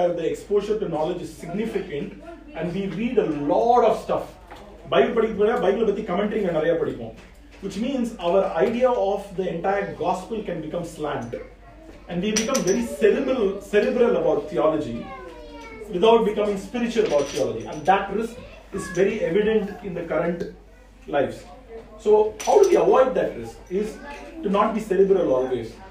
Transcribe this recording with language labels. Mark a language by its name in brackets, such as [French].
[English] The second thing is what I love it most. And we read a lot of stuff. [Tamil] Bible படிக்கிறது, Bible பத்தி கமெண்ட்ரிங்க நிறைய படிப்போம். [English] Which means our idea of the entire gospel can become slant. And we become very cerebral about theology without becoming spiritual about theology. And that risk is very evident in the current lives. So how do we avoid that risk? Is to not be cerebral always.